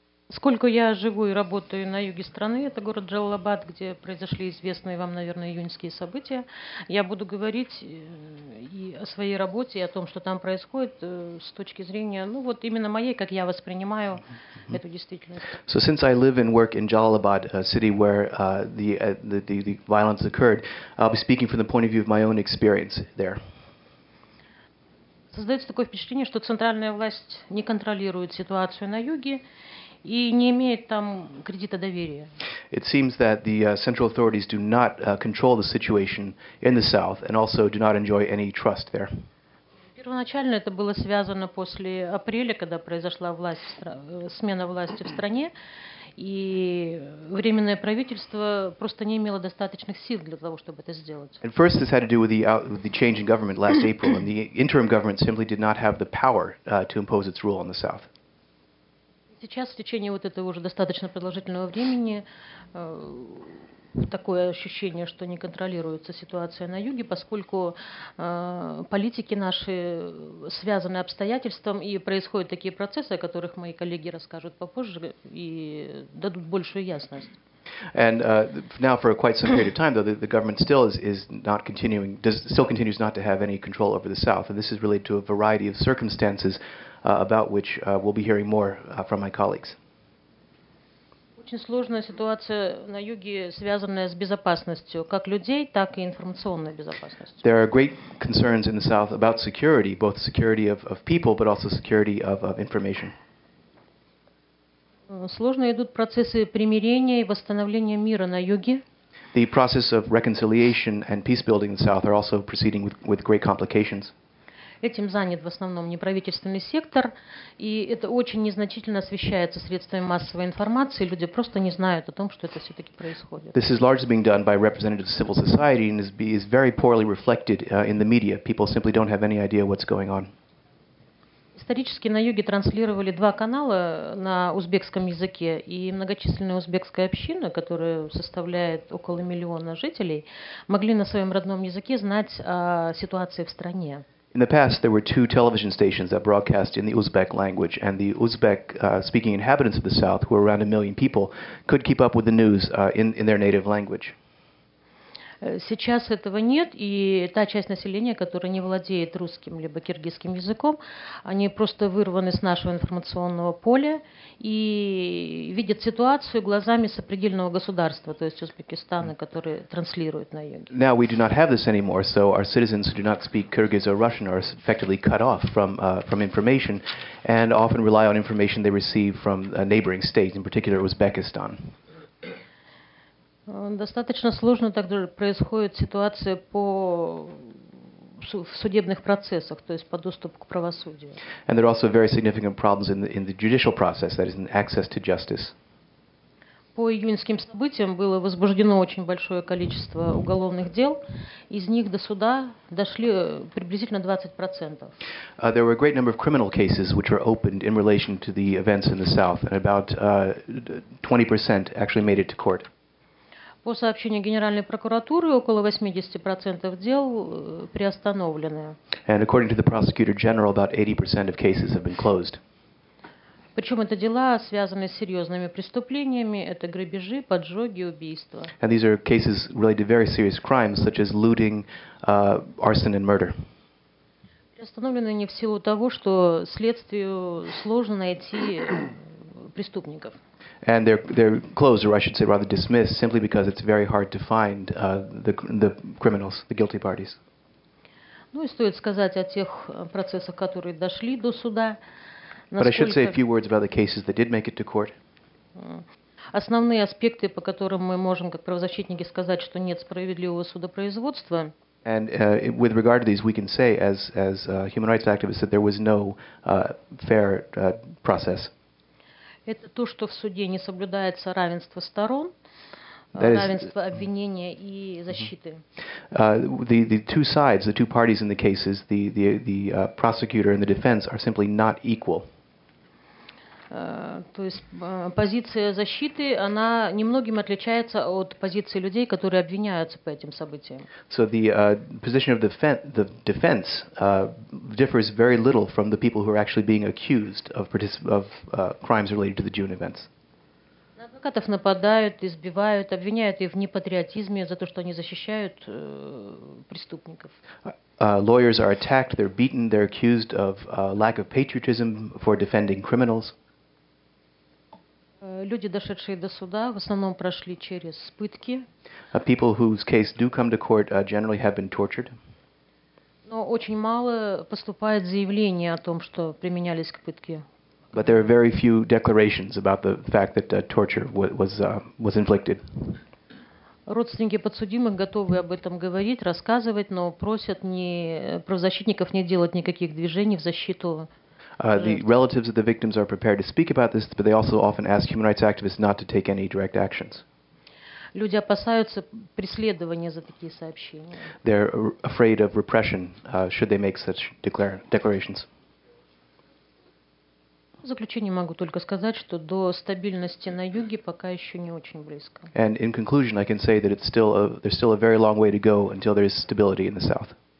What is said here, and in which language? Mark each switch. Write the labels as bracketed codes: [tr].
[ru] Сколько я живу и работаю на юге страны, это город Джалалабад, где произошли известные вам, наверное, июньские события. Я буду говорить и о своей работе, и о том, что там происходит, с точки зрения, ну вот именно моей, как я воспринимаю эту действительность. [en] So since I live and work in Jalalabad, a city where the violence occurred, I'll be speaking from the point of view of my own experience there. [ru] Создается такое впечатление, что центральная власть не контролирует ситуацию на юге. И не имеет там кредита доверия. [en] It seems that the central authorities do not control the situation in the south and also do not enjoy any trust there. [ru] Первоначально это было связано после апреля, когда произошла смена власти в стране, и временное правительство просто не имело достаточных сил для того, чтобы это сделать. [en] At first this had to do with the change in government last April, and the interim government simply did not have the power to impose its rule on the south. [ru] Сейчас в течение вот этого уже достаточно продолжительного времени такое ощущение, что не контролируется ситуация на юге, поскольку политики наши связаны обстоятельством и происходят такие процессы, о которых мои коллеги расскажут попозже и дадут большую ясность. [en] And now for quite some period of time, though, the government still continues not to have any control over the south, and this is related to a variety of circumstances about which we'll be hearing more from my colleagues. [ru] Очень сложная ситуация на юге, связанная с безопасностью, как людей, так и информационной безопасностью. [en] There are great concerns in the south about security, both security of people, but also security of information. [ru] Сложно идут процессы примирения и восстановления мира на юге. [en] The process of reconciliation and peace building in the south are also proceeding with great complications. [ru] Этим занят в основном неправительственный сектор, и это очень незначительно освещается средствами массовой информации. Люди просто не знают о том, что это все-таки происходит. [en] This is largely being done by representatives of civil society and is very poorly reflected in the media. People simply don't have any idea what's going on. [ru] Исторически на юге транслировали два канала на узбекском языке, и многочисленная узбекская община, которая составляет около миллиона жителей, могли на своем родном языке знать о ситуации в стране. [en] In the past, there were two television stations that broadcast in the Uzbek language, and the Uzbek-speaking inhabitants of the south, who are around a million people, could keep up with the news in their native language. [ru] Сейчас этого нет, и та часть населения, которая не владеет русским либо киргизским языком, они просто вырваны с нашего информационного поля и видят ситуацию глазами сопредельного государства, то есть Узбекистана, который транслирует на юге. [en] Now we do not have this anymore, so our citizens who do not speak Kyrgyz or Russian are effectively cut off from information and often rely on information they receive from a neighboring state, in particular Uzbekistan. [ru] Достаточно сложно также происходит ситуация в судебных процессах, то есть по доступу к правосудию. [en] And there are also very significant problems in the judicial process, that is, in access to justice. [ru] По июньским событиям было возбуждено очень большое количество уголовных дел. Из них до суда дошли приблизительно 20%. [en] There were a great number of criminal cases which were opened in relation to the events in the south, and about 20% actually made it to court. [ru] По сообщению Генеральной прокуратуры, около 80% дел приостановлены. [en] And according to the prosecutor general, about 80% of cases have been closed. [ru] Причем это дела, связанные с серьезными преступлениями, это грабежи, поджоги, убийства. [en] And these are cases related to very serious crimes, such as looting, arson and murder. [ru] Приостановлены не в силу того, что следствию сложно найти преступников. [en] And they're closed, or I should say rather dismissed, simply because it's very hard to find the criminals, the guilty parties. [ru] Ну и стоит сказать о тех процессах, которые дошли до суда. [en] But I should say a few words about the cases that did make it to court. [ru] Основные аспекты, по которым мы можем, как правозащитники, сказать, что нет справедливого судопроизводства. [en] And with regard to these, we can say, as human rights activists, that there was no fair process. [ru] Это то, что в суде не соблюдается равенство сторон, равенство обвинения и защиты. [en] The two sides, the two parties in the cases, the prosecutor and the defense, are simply not equal. [ru] То есть позиция защиты, она немногим отличается от позиции людей, которые обвиняются по этим событиям. [en] So the position of the defense differs very little from the people who are actually being accused of crimes related to the June events. [ru] На адвокатов нападают, избивают, обвиняют их в непатриотизме за то, что они защищают преступников. [en] Lawyers are attacked, they're beaten, they're accused of lack of patriotism for defending criminals. [ru] Люди, дошедшие до суда, в основном прошли через пытки. [en] People whose case do come to court generally have been tortured. [ru] Но очень мало поступает заявление о том, что применялись к пытке. [en] But there are very few declarations about the fact that torture was inflicted. [ru] Родственники подсудимых готовы об этом говорить, рассказывать, но просят не правозащитников не делать никаких движений в защиту. [en] The relatives of the victims are prepared to speak about this, but they also often ask human rights activists not to take any direct actions. [ru] Люди опасаются преследования за такие сообщения. [en] They're afraid of repression should they make such declarations. [ru] В заключение могу только сказать, что до стабильности на юге пока еще не очень близко. [en] And in conclusion, I can say that it's still there's still a very long way to go until there is stability in the south.